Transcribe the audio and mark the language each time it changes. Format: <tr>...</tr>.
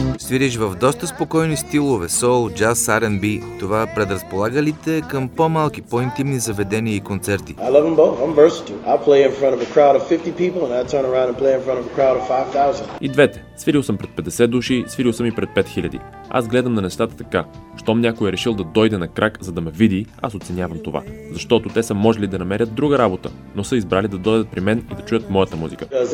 <bg>Свириш в доста спокойни стилове, soul, jazz, R&B. Това предразполага ли те към по-малки, по-интимни заведения и концерти?</bg> <en>I love them both. I'm versatile. I play in front of a crowd of 50 people and I turn around and play in front of a crowd of 5000.</en> <bg>И двете. Свирил съм пред 50 души, свирил съм и пред 5000. Аз гледам на нещата така. Щом някой е решил да дойде на крак, за да ме види, аз оценявам това. Защото те са можели да намерят друга работа, но са избрали да дойдат при мен и да чуят моята музика.</bg>